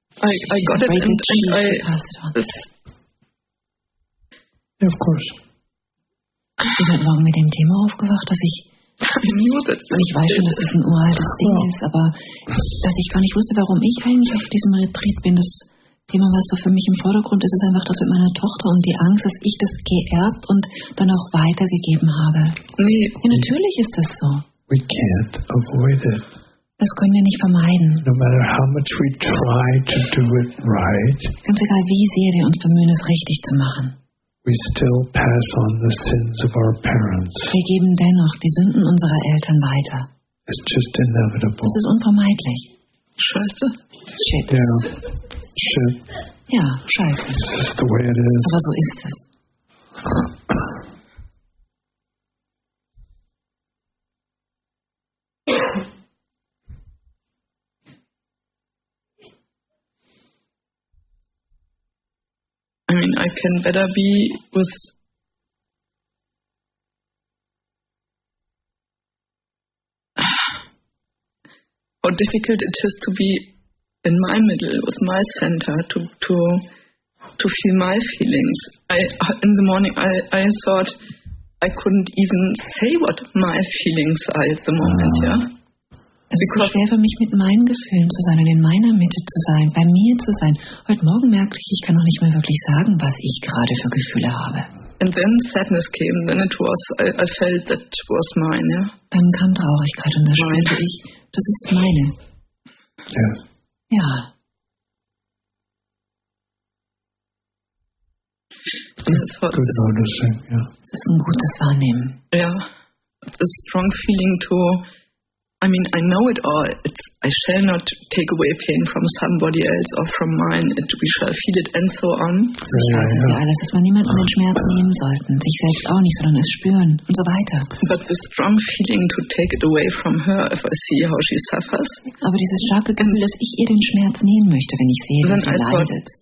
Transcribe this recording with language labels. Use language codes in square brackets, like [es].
[en] I got it and I passed it on. Of course. [de] Ich bin heute Morgen mit dem Thema aufgewacht, dass ich und ich weiß schon, dass das ein uraltes Ding ist, aber dass ich gar nicht wusste, warum ich eigentlich auf diesem Retreat bin, das Thema, was so für mich im Vordergrund ist, ist einfach das mit meiner Tochter und die Angst, dass ich das geerbt und dann auch weitergegeben habe. Nee. Ja, natürlich ist das so. [en] We can't avoid it. [de] Das können wir nicht vermeiden. [en] No matter how much we try to do it right. [de] Ganz egal, wie sehr wir uns bemühen, es richtig zu machen. [en] We still pass on the sins of our parents. [de] Wir geben dennoch die Sünden unserer Eltern weiter. [en] It's just inevitable. [de] Das ist unvermeidlich. Scheiße. [en] Shit. Yeah. Shit. [de] Ja, scheiße. [en] It's just the way it is. [de] Aber so ist es. [en] I mean, I can better be with how difficult it is to be in my middle, with my center, to feel my feelings. In the morning, I thought I couldn't even say what my feelings are at the moment. Yeah. [de] Es ist so schwer für mich, mit meinen Gefühlen zu sein und in meiner Mitte zu sein, bei mir zu sein. Heute Morgen merkte ich kann noch nicht mehr wirklich sagen, was ich gerade für Gefühle habe. [en] And then sadness came, then it was, I felt that was mine. Yeah. [de] Dann kam Traurigkeit und da spürte ich, das ist meine. [en] Yeah. [de] Ja. Das ist ein gutes Wahrnehmen. Ja. Yeah. [en] The strong feeling to, I mean, I know it all. I shall not take away pain from somebody else or from mine. We shall feel it and so on. [de] Alles, dass man niemanden den Schmerz nehmen sollten, sich selbst auch nicht, sondern es spüren und so weiter. [en] But the strong feeling to take it away from her if I see how she suffers. [de] Aber dieses starke Gefühl, dass ich ihr den Schmerz nehmen möchte, wenn ich sehe, wie sie leidet.